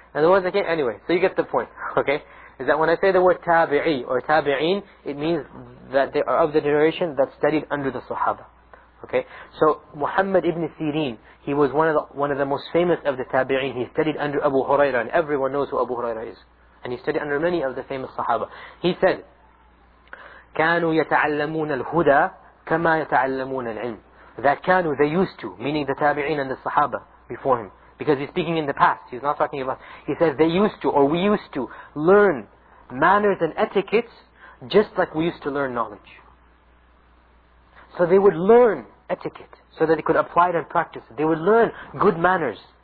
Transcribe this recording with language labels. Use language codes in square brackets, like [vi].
[en] And the ones that came, anyway, so you get the point, okay? Is that when I say the word Tabi'i or Tabi'een, it means that they are of the generation that studied under the Sahaba. Okay, so Muhammad ibn Sirin, he was one of the most famous of the Tabi'een. He studied under Abu Hurairah, and everyone knows who Abu Hurairah is. And he studied under many of the famous Sahaba. He said, [ar] كانوا يتعلمون الهدى كما يتعلمون العلم. [en] That [ar] كانوا, [en] they used to, meaning the Tabi'een and the Sahaba before him. Because he's speaking in the past, he's not talking about, he says they used to, or we used to, learn manners and etiquettes just like we used to learn knowledge. So they would learn etiquette so that they could apply it and practice it. They would learn good manners.